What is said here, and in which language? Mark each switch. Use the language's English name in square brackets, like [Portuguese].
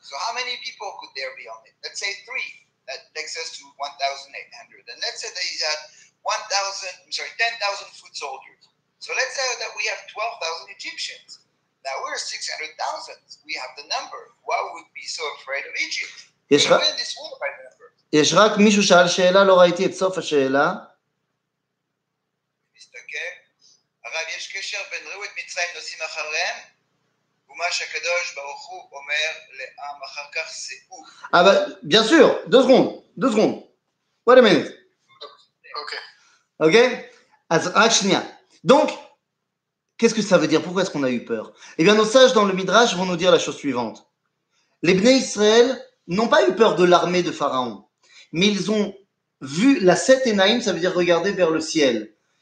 [English] So how many people could there be on it? Let's say 3. That takes us to 1,800. And let's say that he had 10,000 foot soldiers. So let's say that we have 12,000 Egyptians. Now we're 600,000. We have the number. Why would we be so afraid of Egypt? Even this world by the number. [Hebrew] יש רק מישהו שאל שאלה, לא ראיתי את סוף השאלה. מסתכל. הרב, יש קשר בין ראו את מצרים נוסעים אחריהם, ומה שהקדוש ברוך הוא אומר לעם אחר כך, סעו. אבל, [French] bien sûr, deux secondes. [English] Wait a minute. Okay. [Hebrew] אז רק שנייה. [French] Donc, qu'est-ce que ça veut dire? Pourquoi est-ce qu'on a eu peur? Eh bien, nos sages dans le Midrash vont nous dire la chose suivante. Les Bnei Israël n'ont pas eu peur de l'armée de Pharaon, mais ils ont vu la Set Enaim, ça veut dire regarder vers le ciel.